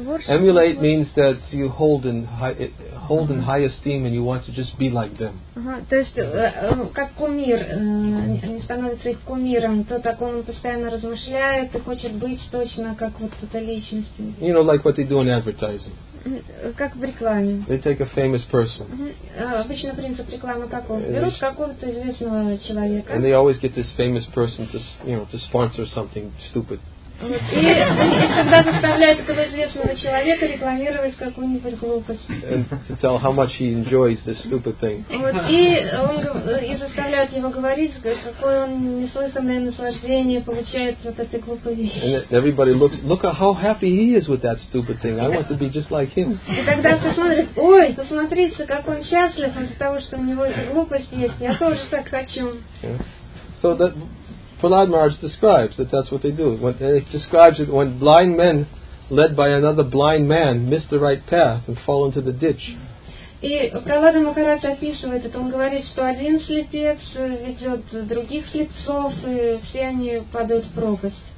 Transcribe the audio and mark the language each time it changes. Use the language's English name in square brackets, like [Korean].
[English] Emulate means that you hold in high esteem and you want to just be like them. [Russian] То есть как кумир, они становятся их кумиром, то так он постоянно размышляет и хочет быть точно как вот эта личность. [English] You know, like what they do in advertising. [Russian] Как в рекламе. [English] They take a famous person. [Russian] Обычно принцип рекламы какой? Берут какого-то известного человека. [English] And they always get this famous person to, you know, to sponsor something stupid. [Russian] И всегда заставляют этого известного человека рекламировать какую-нибудь глупость. [English] And to tell how much he enjoys this stupid thing. [Russian] И заставляют его говорить, какое он неслыханное наслаждение получает от этой глупой вещи. [English] And everybody looks, look at how happy he is with that stupid thing. I want to be just like him. [Russian] И тогда все смотрят, ой, посмотрите, как он счастлив из-за того, что у него эта глупость есть. Я тоже так хочу. [English] So that Prahlad Maharaj describes that that's what they do. When it describes it when blind men led by another blind man miss the right path and fall into the ditch. [Russian] И Прохлада Махарадж описывает это. Он говорит, что один слепец ведет других слепцов, и все они падают в пропасть.